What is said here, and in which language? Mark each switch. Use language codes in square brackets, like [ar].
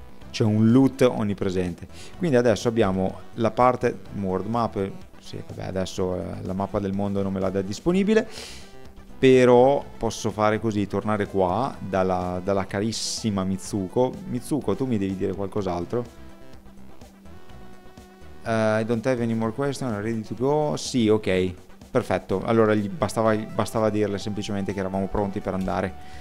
[it] C'è un loot onnipresente. Quindi adesso abbiamo la parte world map. Sì, vabbè, adesso la mappa del mondo non me la dà disponibile. Però posso fare così, tornare qua dalla carissima Mitsuko. Mitsuko, tu mi devi dire qualcos'altro. [en] I don't have any more questions, I'm ready to go. [it] Sì, ok. Perfetto, allora gli bastava dirle semplicemente che eravamo pronti per andare.